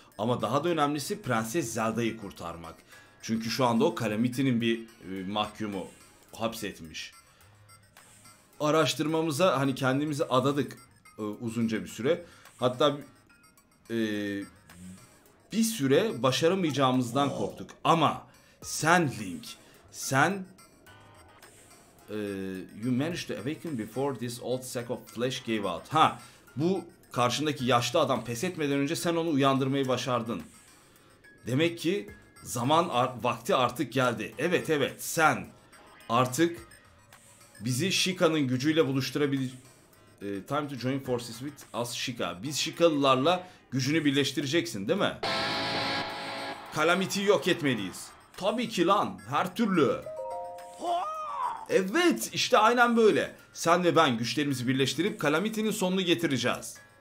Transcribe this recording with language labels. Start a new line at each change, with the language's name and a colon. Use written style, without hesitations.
Turkish: Ama daha da önemlisi Prenses Zelda'yı kurtarmak. Çünkü şu anda o Calamity'nin bir mahkumu hapsetmiş. Araştırmamıza hani kendimizi adadık uzunca bir süre. Hatta bir süre başaramayacağımızdan korktuk. Ama sen Link, sen...
English: You managed to awaken before this old sack of flesh gave out.
Turkish: Ha, bu karşındaki yaşlı adam pes etmeden önce sen onu uyandırmayı başardın. Demek ki zaman vakti artık geldi. Evet evet sen artık bizi Shika'nın gücüyle buluşturabilirsin.
English: Time to join forces with us Shika.
Turkish: Biz Shikalılarla gücünü birleştireceksin değil mi? Calamity'yi yok etmeliyiz. Tabii ki lan her türlü. Evet işte aynen böyle. Sen ve ben güçlerimizi birleştirip Calamity'nin sonunu getireceğiz.